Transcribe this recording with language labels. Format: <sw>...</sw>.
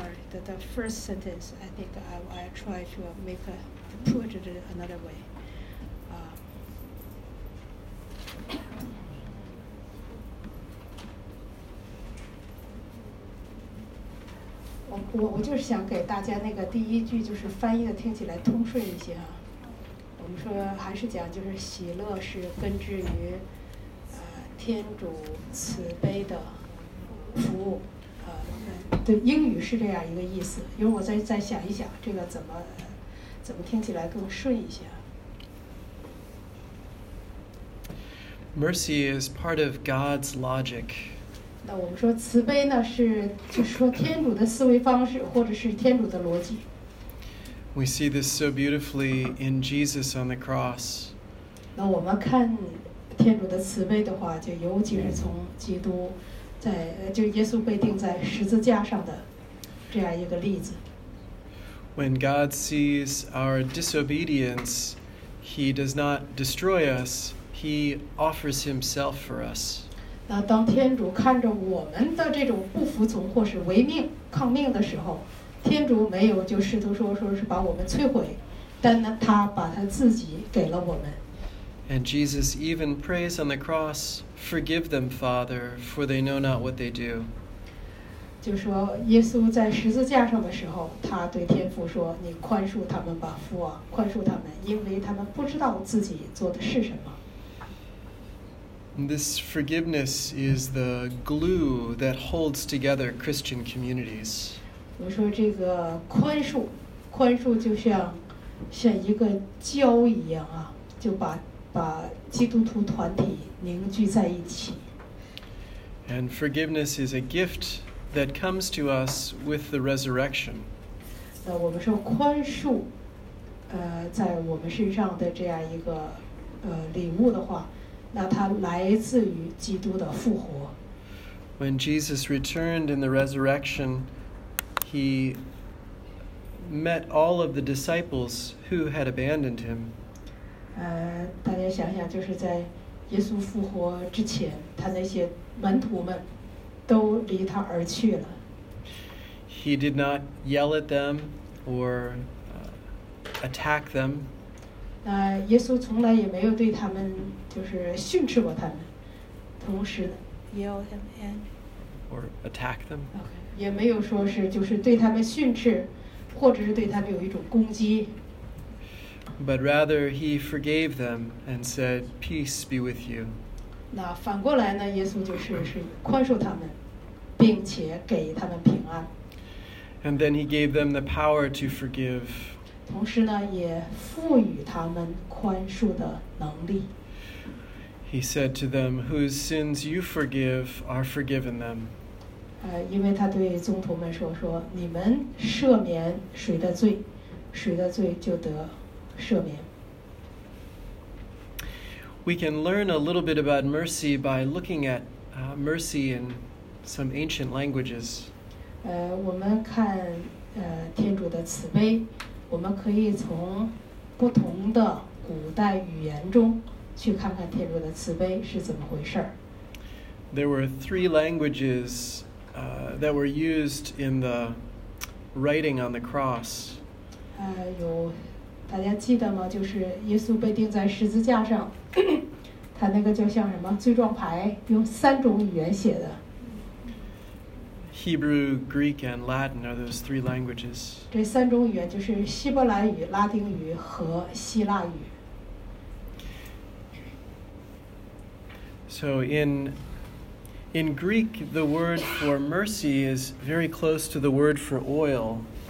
<en>The first sentence, I think I try to make to put it another way.</en> <zh>I 就是想给大家那个第一句就是翻译的听起来通顺一些啊。我们说还是讲就是喜乐是根植于天主慈悲的服务。对，英语是这样一个意思，因为我再想一想，这个怎么听起来更顺一些。</zh> <en>Mercy is part of God's logic.</en> <zh>那我们说慈悲呢，是就是说天主的思维方式，或者是天主的逻辑。</zh> <en>We see this so beautifully in Jesus on the cross.</en> <zh>那我们看天主的慈悲的话，就尤其是从基督。在就耶稣被钉在十字架上的这样一个例子。</zh> <en>When God sees our disobedience, He does not destroy us. He offers Himself for us.</en> <zh>那当天主看着我们的这种不服从或是违命抗命的时候，天主没有就试图说是把我们摧毁，但呢，他把他自己给了我们。</zh> <en>And Jesus even prays on the cross, Forgive them, Father, for they know not what they do.</en> <zh>就说耶稣在十字架上的时候，他对天父说，你宽恕他们吧，父啊，宽恕他们，因为他们不知道自己做的是什么。</zh> <en>This forgiveness is the glue that holds together Christian communities.</en> <zh>我说这个宽恕就像一个胶一样啊，就把基督徒团体凝聚在一起。</zh> <en>And forgiveness is a gift that comes to us with the resurrection.</en> <zh>我们说宽恕，在我们身上的这样一个礼物的话。那它来自于基督的复活。</zh> <en>When Jesus returned in the resurrection, he met all of the disciples who had abandoned him.</en> <zh>大家想想，就是在耶稣复活之前，他那些门徒们都离他而去了。</zh> <en>He did not yell at them or attack them.</en> <zh>耶稣从来也没有对他们就是训斥过他们，同时呢</zh> <en>yell him in or attack them，</en> <zh>也没有说是就是对他们训斥，或者是对他们有一种攻击。</zh> <en>But rather he forgave them and said, "Peace be with you."</en> <zh>那反过来呢，耶稣就是宽恕他们，并且给他们平安。</zh> <en>And then he gave them the power to forgive.</en> <zh>同时呢，也赋予他们宽恕的能力。</zh> <en>He said to them, "Whose sins you forgive are forgiven them."</en> <zh>因为他对宗徒们说，你们赦免谁的罪，谁的罪就得赦免。</zh> <en>We can learn a little bit about mercy by looking at mercy in some ancient languages.</en> <zh>我们看天主的慈悲。我们可以从不同的古代语言中去看看天主的慈悲是怎么回事。</zh> <en>There were three languages that were used in the writing on the cross.</en> <zh>有大家记得吗？就是耶稣被钉在十字架上，他那个就像什么罪状牌，用三种语言写的。</zh> <en>Hebrew, Greek, and Latin are those three languages.</en> <zh>这三种语言就是希伯来语、拉丁语和希腊语。</zh> <en>So in Greek, the word for mercy is very close to the word for oil.</en>